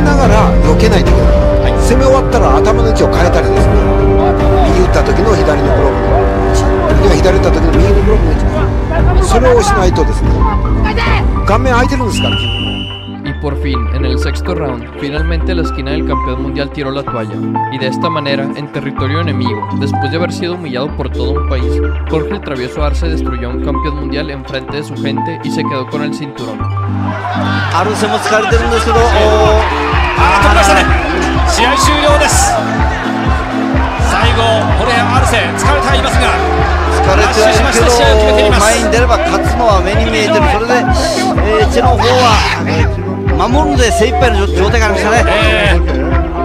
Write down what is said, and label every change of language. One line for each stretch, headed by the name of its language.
Japanese: ったら頭の位置を変えたりですね、右打った時の左のグローブ、左打った時の右のグローブの位置、それをしないとですね、顔面空いてるんですから自分。
Spanish: Por fin, en el sexto round, finalmente la esquina del campeón mundial tiró la toalla. Y de esta manera, en territorio enemigo, después de haber sido humillado por todo un país, Jorge el Travieso Arce destruyó a un campeón mundial en frente de su gente y se quedó con el cinturón.
Japanese: Arce も疲れてるんですけど、止めましたね。試合終了です。最後、ホレア・アルセ、疲れていますが、疲れてはいるけど、前に出れば勝つのは目に見えてる。それで、チェの方は、守るので精一杯の状態がありましたね、